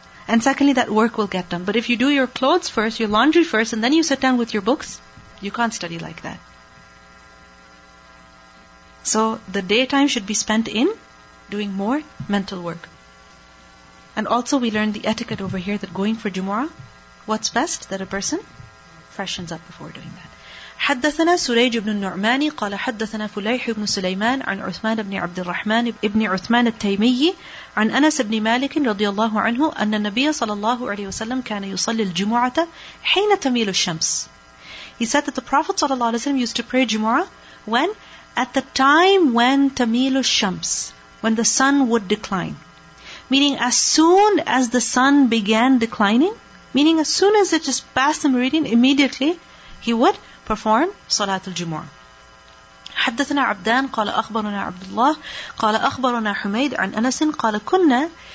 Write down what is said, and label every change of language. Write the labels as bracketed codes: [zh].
[en] And secondly, that work will get done. But if you do your clothes first, your laundry first, and then you sit down with your books, you can't study like that. So the daytime should be spent in doing more mental work. And also we learned the etiquette over here that going for Jumu'ah, what's best? That a person freshens up before doing that. [ar] حدثنا سريج بن النعمان قال حدثنا فليح بن سليمان عن عثمان بن عبد الرحمن بن عثمان التيمي عن أنس بن مالك رضي الله عنه أن النبي صلى الله عليه وسلم كان يصلي الجمعة حين تميل الشمس. [en] He said that the Prophet صلى الله عليه وسلم used to pray Jumu'ah when at the time when [ar] تميل الشمس, [en] when the sun would decline. Meaning as soon as the sun began declining, meaning as soon as it just passed the meridian, immediately he would perform Salatul Jumu'ah. [ar] حدثنا عبدان قال أخبرنا عبد الله قال أخبرنا حميد عن أنس قال كنا.